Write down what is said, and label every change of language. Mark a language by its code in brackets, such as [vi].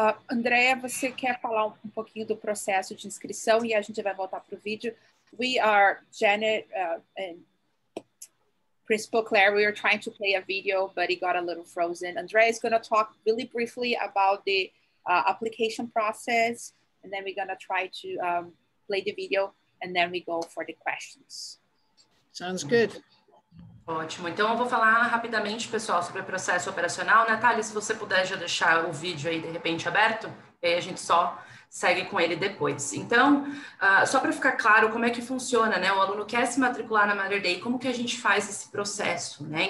[pt] Andrea, você quer falar um pouquinho do processo de inscrição e a gente vai voltar para o vídeo. [en] We are Janet and Principal Claire, we were trying to play a video, but it got a little frozen. Andrea is going to talk really briefly about the application process, and then we're going to try to play the video, and then we go for the questions. Sounds good. [pt] Ótimo. Então, eu vou falar rapidamente, pessoal, sobre o processo operacional. Natália, se você puder já deixar o vídeo aí, de repente, aberto, aí a gente só segue com ele depois. Então, só para ficar claro como é que funciona, né? O aluno quer se matricular na Mater Dei, como que a gente faz esse processo, né?